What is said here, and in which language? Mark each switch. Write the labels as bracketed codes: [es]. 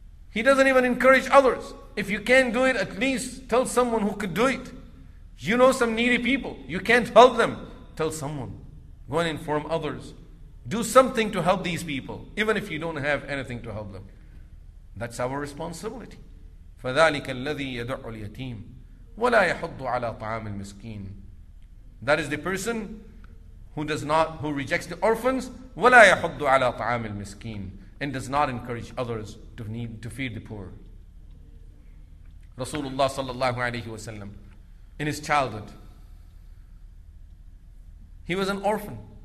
[en] He doesn't even encourage others. If you can't do it, at least tell someone who could do it. You know some needy people. You can't help them. Tell someone. Go and inform others. Do something to help these people, even if you don't have anything to help them. That's our responsibility. [ar] فذلك الذي يدع اليتيم ولا يحض على طعام المسكين. [en] That is the person who rejects the orphans [ar] ولا يحض على طعام المسكين [en] and does not encourage others to feed the poor. Rasulullah sallallahu alayhi wa sallam, in his childhood, he was an orphan.